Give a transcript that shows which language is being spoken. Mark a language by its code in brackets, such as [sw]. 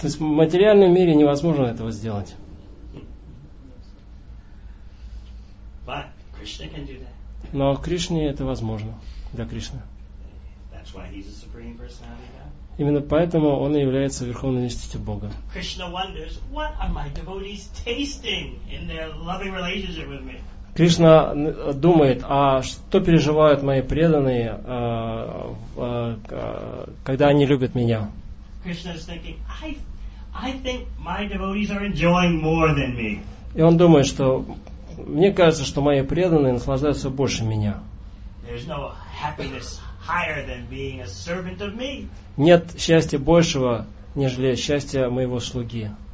[ru] То есть в материальном мире невозможно этого сделать. [en] But Krishna can do that. [ru] Но Кришне это возможно для Кришны. [en] That's why he's a supreme personality God. [ru] Именно поэтому он и является верховной личностью Бога. [en] Krishna wonders, what are my devotees tasting in their loving relationship with me? [ru] Кришна думает, а что переживают мои преданные, когда они любят меня? [en] Krishna is thinking, I think my devotees are enjoying more than me. [ru] И он думает, что мне кажется, что мои преданные наслаждаются больше меня. [en] No happiness higher than being a servant of me. [ru] Нет счастья большего, нежели счастья моего слуги.